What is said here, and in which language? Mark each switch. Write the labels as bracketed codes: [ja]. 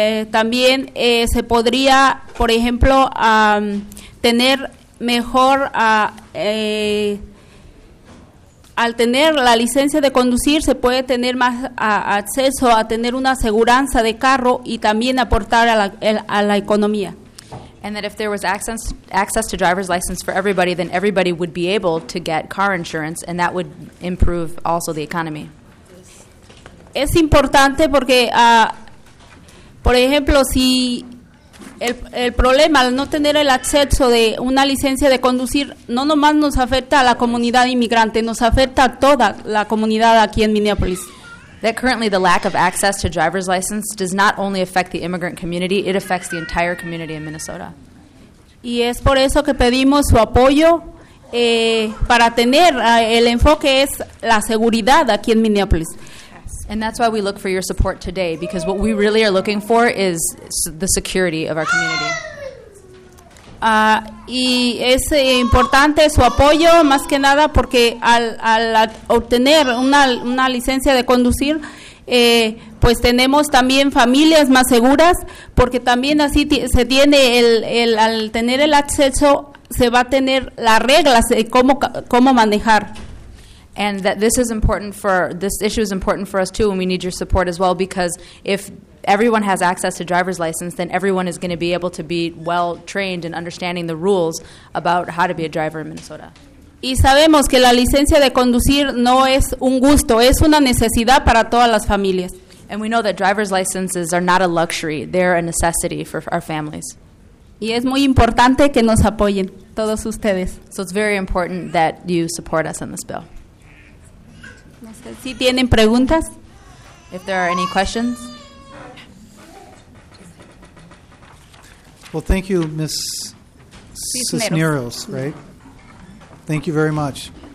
[es] También se podría, por ejemplo, tener mejor, al tener la licencia de conducir, se puede tener más acceso a tener una aseguranza de carro y también aportar a la economía. [en] And that if there was access to driver's license for everybody, then everybody would be able to get car insurance, and that would improve also the economy. [es] Es importante porque, por ejemplo, si el problema al no tener el acceso de una licencia de conducir, no nomás nos afecta a la comunidad inmigrante, nos afecta a toda la comunidad aquí en Minneapolis. [en] That currently the lack of access to driver's license does not only affect the immigrant community, it affects the entire community in Minnesota. [es] Y es por eso que pedimos su apoyo para tener el enfoque es la seguridad aquí en Minneapolis. [en] And that's why we look for your support today, because what we really are looking for is the security of our community. [es] Y es importante su apoyo, más que nada, porque al obtener una licencia de conducir, pues tenemos también familias más seguras, porque también así se tiene al tener el acceso, se va a tener las reglas de cómo manejar. [en] And that this issue is important for us too, and we need your support as well, because if everyone has access to driver's license, then everyone is going to be able to be well trained in understanding the rules about how to be a driver in Minnesota. [es] Y sabemos que la licencia de conducir no es un gusto, es una necesidad para todas las familias. [en] And we know that driver's licenses are not a luxury, they're a necessity for our families. [es] Y es muy importante que nos apoyen todos ustedes. [en] So it's very important that you support us in this bill. [es] No sé si tienen preguntas. [en] If there are any questions. Well, thank you, Ms. Cisneros, right? Thank you very much.